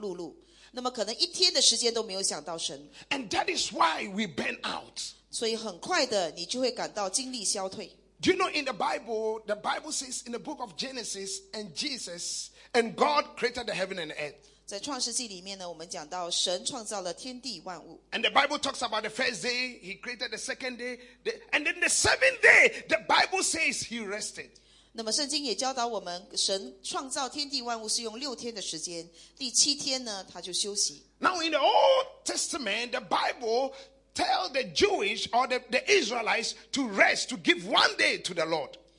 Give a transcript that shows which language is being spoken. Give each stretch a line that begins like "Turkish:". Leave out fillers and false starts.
Chinese: 很多时候呢，每天早上一早起来，赶快刷了牙之后，就冲向这个地铁站，坐地铁去上班。那么在办公室里呢，也忙忙碌碌。那么可能一天的时间都没有想到神。And
English: that is why we burn out.
Chinese: 所以很快的，你就会感到精力消退。Do
English: you know in the Bible says in the book of Genesis, and Jesus and God created the heaven and the earth.
Chinese: 在创世纪里面呢，我们讲到神创造了天地万物。And
English: the Bible talks about the first day, he created the second day, and then the seventh day, the Bible says he rested.
Chinese: 那么圣经也教导我们，神创造天地万物是用六天的时间，第七天呢，他就休息。Now
English: in the Old Testament, the Bible tell the Jewish or the Israelites to rest, to give one day to the Lord.